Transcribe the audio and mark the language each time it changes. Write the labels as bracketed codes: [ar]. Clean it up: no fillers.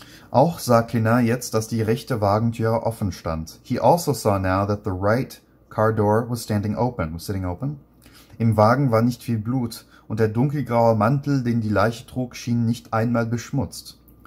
[de] Auch sah Klinar jetzt, dass die rechte Wagentür offen stand. [en] He also saw now that the right car door was standing open, was sitting open. [de] Im Wagen war nicht viel Blut und der dunkelgraue Mantel, den die Leiche trug, schien nicht einmal beschmutzt.